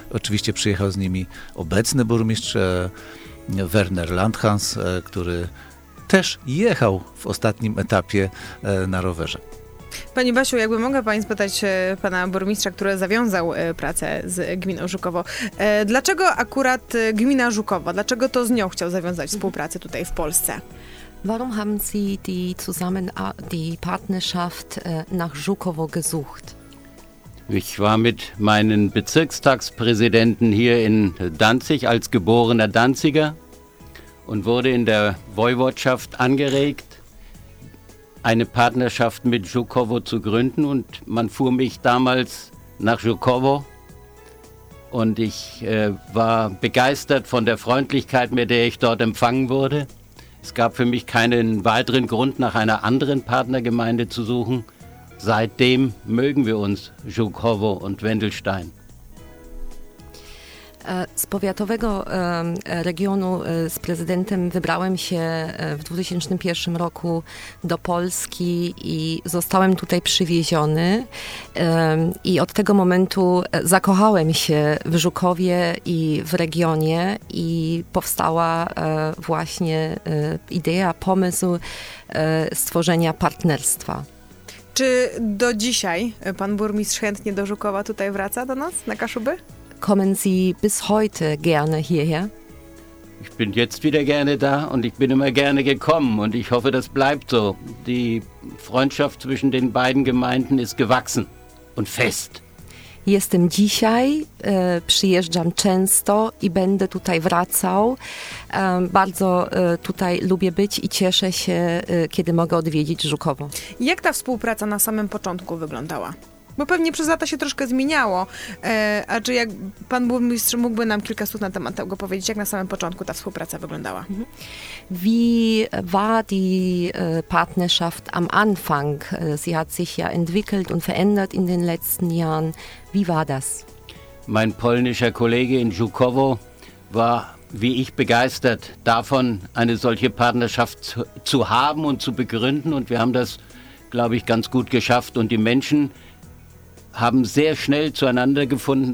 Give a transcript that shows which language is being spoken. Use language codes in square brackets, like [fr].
[pl] Oczywiście przyjechał z nimi obecny burmistrz Werner Landhans, który też jechał w ostatnim etapie na rowerze. Pani Basiu, jakby mogła pani spytać pana burmistrza, który zawiązał pracę z gminą Żukowo. Dlaczego akurat gmina Żukowo? Dlaczego to z nią chciał zawiązać współpracę tutaj w Polsce? [de] Warum haben Sie die Partnerschaft nach Żukowo gesucht? Ich war mit meinen Bezirkstagspräsidenten hier in Danzig als geborener Danziger und wurde in der Woiwodschaft angeregt, eine Partnerschaft mit Żukowo zu gründen und man fuhr mich damals nach Żukowo und ich war begeistert von der Freundlichkeit, mit der ich dort empfangen wurde. Es gab für mich keinen weiteren Grund, nach einer anderen Partnergemeinde zu suchen. Seitdem mögen wir uns, Żukowo und Wendelstein. [pl] Z powiatowego regionu z prezydentem wybrałem się w 2001 roku do Polski i zostałem tutaj przywieziony i od tego momentu zakochałem się w Żukowie i w regionie i powstała właśnie idea, pomysł stworzenia partnerstwa. Czy do dzisiaj pan burmistrz chętnie do Żukowa tutaj wraca do nas na Kaszuby? [de] Kommen Sie bis heute gerne hierher? Ich bin jetzt wieder gerne da und ich bin immer gerne gekommen und ich hoffe, das bleibt so. Die Freundschaft zwischen den beiden Gemeinden ist gewachsen und fest. [pl] Jestem dzisiaj, przyjeżdżam często i będę tutaj wracał. Bardzo tutaj lubię być i cieszę się, kiedy mogę odwiedzić Żukowo. Jak ta współpraca na samym początku wyglądała? Bo pewnie przez lata się troszkę zmieniało. A czy jak pan burmistrz mógłby nam kilka słów na temat tego powiedzieć, jak na samym początku ta współpraca wyglądała? [de] Wie war die Partnerschaft am Anfang? Sie hat sich ja entwickelt und verändert in den letzten Jahren. Wie war das? Mein polnischer Kollege in Żukowo war wie ich begeistert davon, eine solche Partnerschaft zu haben und zu begründen und wir haben das, glaube ich, ganz gut geschafft und die Menschen haben sehr schnell zueinander gefunden.